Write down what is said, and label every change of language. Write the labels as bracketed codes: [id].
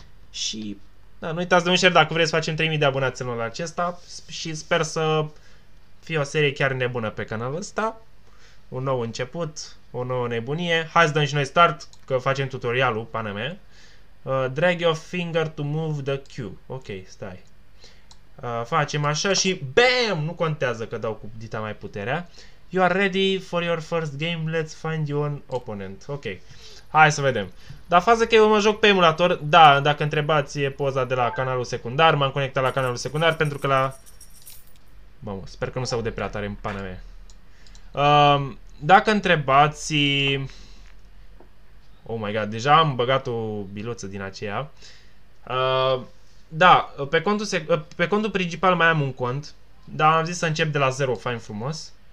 [ro] Și da, nu uitați de un share dacă vreți să facem 3000 de abonați în anul acesta și sper să fie o serie chiar nebună pe canalul ăsta. Un nou început, o nouă nebunie. Hai să dăm și noi start, că facem tutorialul, pana mea. [en] Drag your finger to move the cue. [ro] Ok, stai. Facem așa și BAM! Nu contează că dau cu dita mai puterea. [en] You are ready for your first game, let's find you an opponent. [ro] Ok, hai să vedem. Dar faza că eu mă joc pe emulator, da, dacă întrebați, e poza de la canalul secundar, m-am conectat la canalul secundar pentru că la... Mamă, sper că nu se aude prea tare în pana mea. Dacă întrebați... [en] Oh my god, [ro] deja am băgat o biluță din aceea. Da, pe contul principal mai am un cont, dar am zis să încep de la zero, fain frumos.